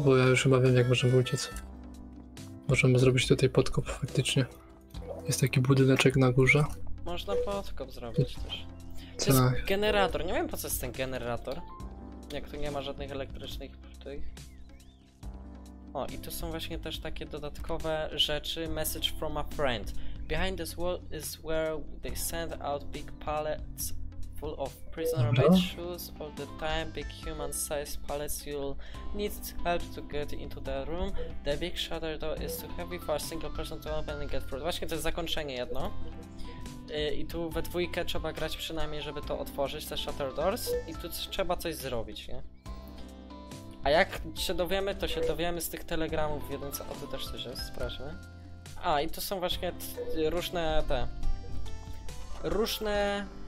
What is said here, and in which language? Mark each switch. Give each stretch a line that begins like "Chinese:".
Polish: Bo ja już chyba wiem, jak możemy uciec. Możemy zrobić tutaj podkop faktycznie. Jest taki budyneczek na górze. Można podkop zrobić też. To jest generator. Nie wiem po co jest ten generator. Jak tu nie ma żadnych elektrycznych tych. O, i tu są właśnie też takie dodatkowe rzeczy.
English: Message from a friend. Behind this wall is where they send out big pallets full of prisoner made shoes all the time. Big human size pallets. You'll need help to get into the room. The big shutter door is too heavy for a single person to open and get through.
Polish: Właśnie to jest zakończenie jedno. I tu we dwójkę trzeba grać przynajmniej, żeby to otworzyć, te shutter doors. I tu trzeba coś zrobić, nie? A jak się dowiemy, to się dowiemy z tych telegramów, więc o to też coś jest, sprawdźmy. A, i tu są właśnie różne te... Różne...